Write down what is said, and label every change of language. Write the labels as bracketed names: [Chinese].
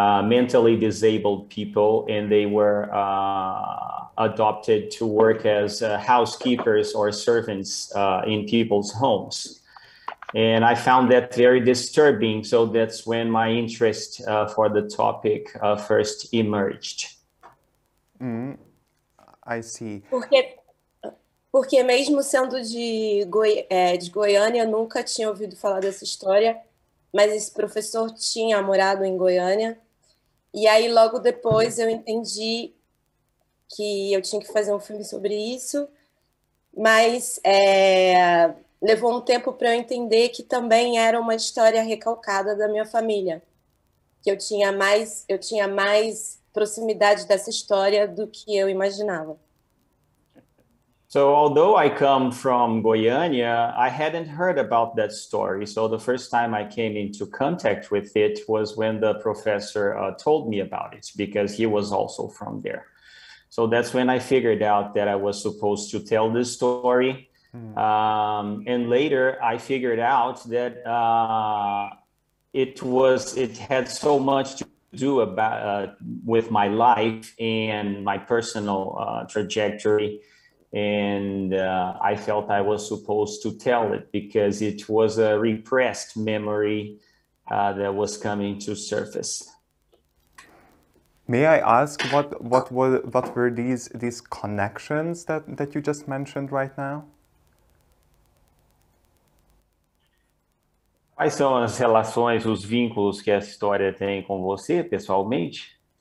[English] Mentally disabled people, and they were adopted to work as housekeepers or servants in people's homes. And I found that very disturbing. So that's when my interest for the topic first emerged. I see. [Portuguese] Porque mesmo sendo de Goiânia, nunca tinha ouvido falar dessa história, mas esse professor tinha morado em Goiânia. E aí logo depois eu entendi que eu tinha que fazer um filme sobre isso, mas levou tempo para eu entender que também era uma história recalcada da minha família. Que eu tinha mais proximidade dessa história do que eu imaginava. [English] So although I come from Goiânia, I hadn't heard about that story. So the first time I came into contact with it was when the professor told me about it, because he was also from there. So that's when I figured out that I was supposed to tell this story. And later I figured out that it had so much to do with my life and my personal trajectory, and I felt I was supposed to tell it because it was a repressed memory that was coming to surface. May I ask what were these connections that you just mentioned right now? [Portuguese] Quais são as relações, os vínculos que essa história tem com você pessoalmente?